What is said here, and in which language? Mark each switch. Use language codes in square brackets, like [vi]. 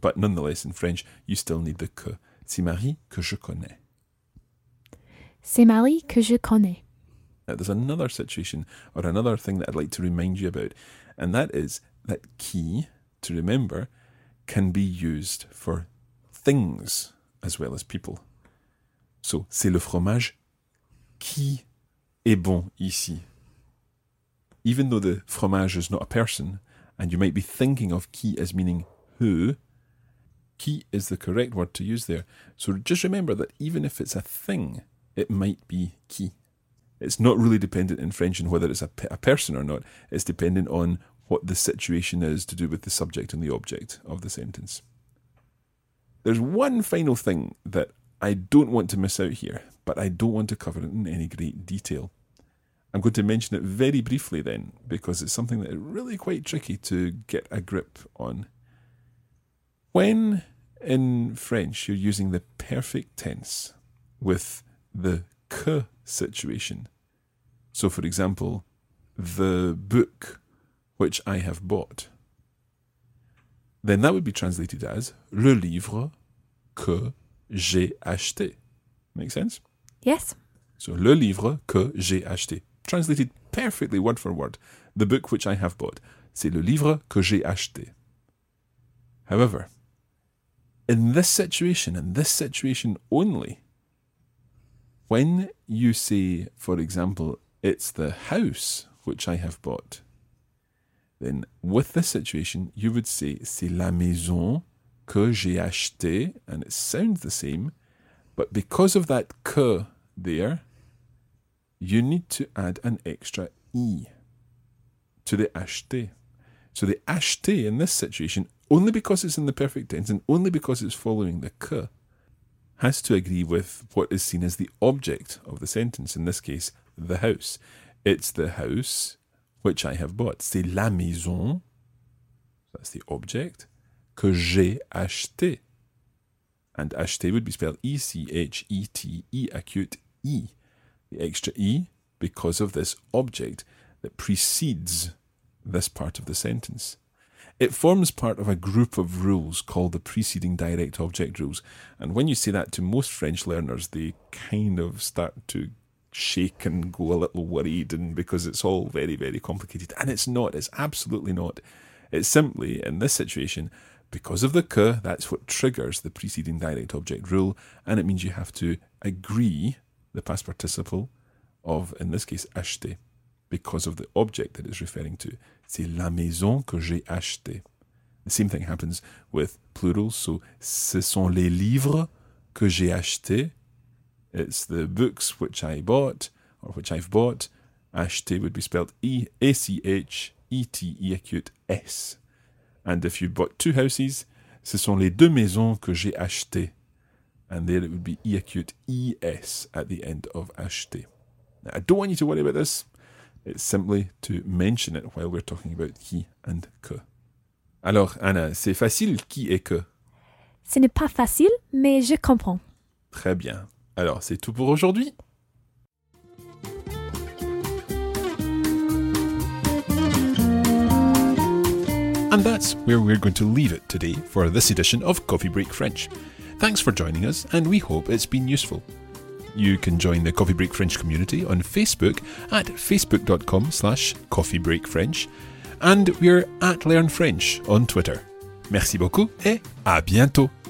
[en] But nonetheless, in French, you still need the que. [fr] C'est Marie que je connais. C'est Marie que je connais. [en] Now, there's another situation or another thing that I'd like to remind you about, and that is that qui, to remember, can be used for things as well as people. [fr] So, c'est le fromage qui est bon ici. [en] Even though the fromage is not a person, and you might be thinking of qui as meaning who, qui is the correct word to use there. So just remember that even if it's a thing, it might be qui. It's not really dependent in French on whether it's a person or not. It's dependent on what the situation is to do with the subject and the object of the sentence. There's one final thing that I don't want to miss out here, but I don't want to cover it in any great detail. I'm going to mention it very briefly then, because it's something that is really quite tricky to get a grip on. When in French you're using the perfect tense with the que situation. So, for example, the book which I have bought. Then that would be translated as [fr] le livre que j'ai acheté. [en] Make sense? Yes. [fr] So, le livre que j'ai acheté. [en] Translated perfectly word for word. The book which I have bought. [fr] C'est le livre que j'ai acheté. [en] However, in this situation, and this situation only, when you say, for example, it's the house which I have bought, then with this situation, you would say, [fr] c'est la maison que j'ai acheté, [en] and it sounds the same, but because of that que there, you need to add an extra I to the acheté. So the acheté in this situation, only because it's in the perfect tense, and only because it's following the que, has to agree with what is seen as the object of the sentence, in this case, the house. It's the house which I have bought. [fr] C'est la maison, [en] that's the object, [fr] que j'ai acheté. [en] And acheté would be spelled E-C-H-E-T-E, acute E. The extra E, because of this object that precedes this part of the sentence. It forms part of a group of rules called the preceding direct object rules. And when you say that to most French learners, they kind of start to shake and go a little worried, and because it's all very, very complicated. And it's not. It's absolutely not. It's simply, in this situation, because of the que, that's what triggers the preceding direct object rule. And it means you have to agree the past participle of, in this case, acheter, because of the object that it's referring to. [fr] C'est la maison que j'ai acheté. [en] The same thing happens with plurals. So, [fr] ce sont les livres que j'ai acheté. [en] It's the books which I bought, or which I've bought, acheter would be spelled E-A-C-H-E-T-E-A-C-U-T-S. And if you bought two houses, [fr] ce sont les deux maisons que j'ai achetées. [en] And there it would be E-A-C-U-T-E-S at the end of acheter. Now, I don't want you to worry about this. It's simply to mention it while we're talking about qui and que. [fr] Alors, Anna, c'est facile qui et que? Ce n'est pas facile, mais je comprends. Très bien. Alors, c'est tout pour aujourd'hui. [en] And that's where we're going to leave it today for this edition of Coffee Break French. Thanks for joining us, and we hope it's been useful. You can join the Coffee Break French community on Facebook at facebook.com/coffeebreakfrench, and we're at Learn French on Twitter. [fr] Merci beaucoup et à bientôt!